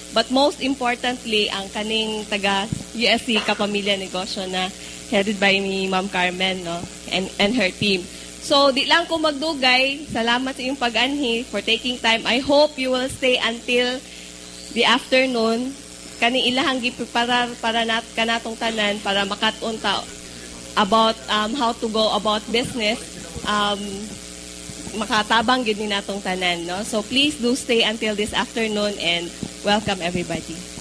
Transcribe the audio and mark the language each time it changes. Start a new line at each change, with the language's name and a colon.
English: But most importantly,
Cebuano: ang kaning taga USC Kapamilya Negosyo na
English: headed by
Cebuano: ni Ma'am Carmen, no,
English: and her team.
Cebuano: So, di lang ko magdugay. Salamat sa iyong pag-anhi
English: for taking time. I hope you will stay until the afternoon.
Cebuano: Kani ilahang gi-preparar para nat kanatong tanan para makatunta
English: about how to go about business.
Cebuano: Makatabang gid ni natong tanan, no?
English: So, please do stay until this afternoon and welcome everybody.